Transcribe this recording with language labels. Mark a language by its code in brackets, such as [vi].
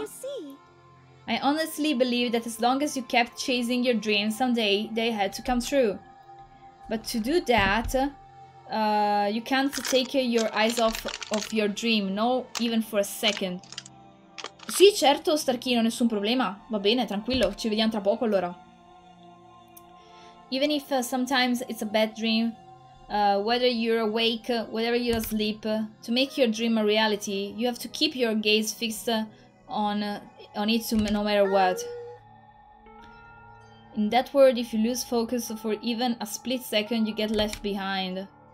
[en] You see. I honestly believe that as long as you kept chasing your dreams, someday they had to come true. But to do that, you can't take your eyes off of your dream, no, even for a second. [it] Sì, certo, Starkino, nessun problema. Va bene, tranquillo, ci vediamo tra poco allora. [en] Even if sometimes it's a bad dream, whether you're awake, whether you're asleep, to make your dream a reality, you have to keep your gaze fixed on it no matter what. In that world, if you lose focus for even a split second, you get left behind.